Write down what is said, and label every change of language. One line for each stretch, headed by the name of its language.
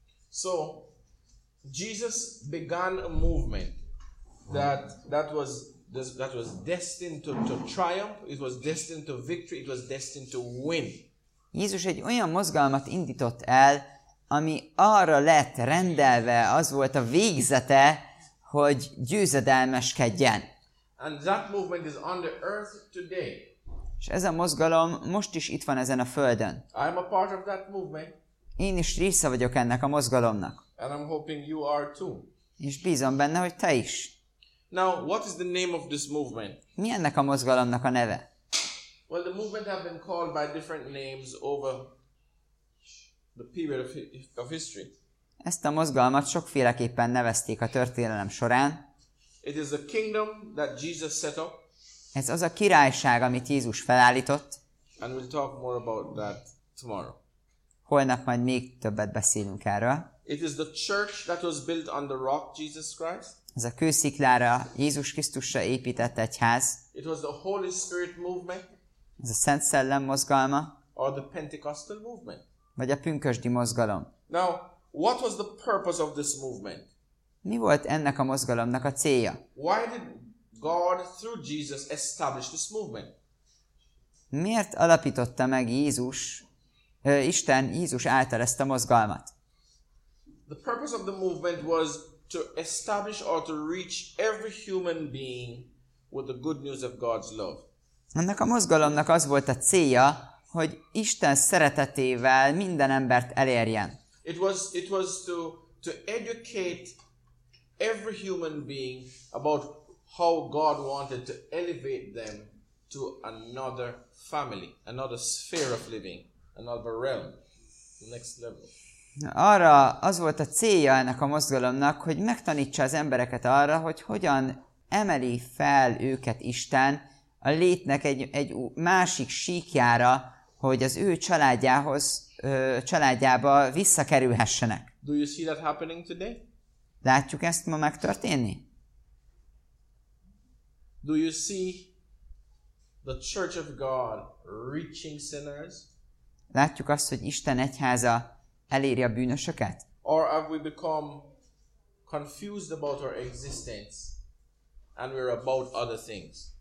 English: So, Jesus began a movement that was destined to triumph, it was destined to victory, it was destined to win.
Hungarian: Jézus egy olyan mozgalmat indított el, ami arra lett rendelve, az volt a végzete, hogy győzedelmeskedjen.
English: And that movement is on the earth today.
Hungarian: És ez a mozgalom most is itt van ezen a földön.
English: I'm a part of that movement.
Hungarian: Én is része vagyok ennek a mozgalomnak.
English: And I'm hoping you are too.
Hungarian: És bízom benne, hogy te is.
English: Now, what is the name of this movement?
Hungarian: Mi ennek a mozgalomnak a neve?
English: Well, the movement have been called by different names over the period of history.
Hungarian: Ezt a mozgalmat sokféleképpen nevezték a történelem során.
English: It is the kingdom that Jesus set up.
Hungarian: Ez az a királyság, amit Jézus felállított.
English: And we'll talk more about that tomorrow.
Hungarian: Holnap majd még többet beszélünk erről.
English: It is the church that was built on the rock, Jesus Christ.
Hungarian: Ez a kősziklára, Jézus Krisztusra épített egyház.
English: It was the Holy Spirit movement.
Hungarian: Ez a Szent Szellem mozgalma.
English: Or the Pentecostal movement.
Hungarian: Vagy a pünkösdi mozgalom.
English: Now, what was the purpose of this movement?
Hungarian: Mi volt ennek a mozgalomnak a célja?
English: Why did God through Jesus establish this movement?
Hungarian: Miért alapította meg Jézus, Isten Jézus által ezt a mozgalmat?
English: The purpose of the movement was to establish or to reach every human being with the good news of God's love.
Hungarian: Ennek a mozgalomnak az volt a célja, hogy Isten szeretetével minden embert elérjen.
English: It was to educate every human being about how God wanted to elevate them to another family, another sphere of living, another realm, the next level.
Hungarian: Arra az volt a célja ennek a mozgalomnak, hogy megtanítsa az embereket arra, hogy hogyan emeli fel őket Isten a létnek egy másik síkjára, hogy az ő családjához, családjába visszakerülhessenek.
English: Do you see that happening today?
Hungarian: Látjuk ezt ma megtörténni?
English: Do you see the Church of God reaching sinners?
Hungarian: Látjuk azt, hogy Isten egyháza eléri a bűnösöket?
English: Or have we become confused about our existence and we're about other things?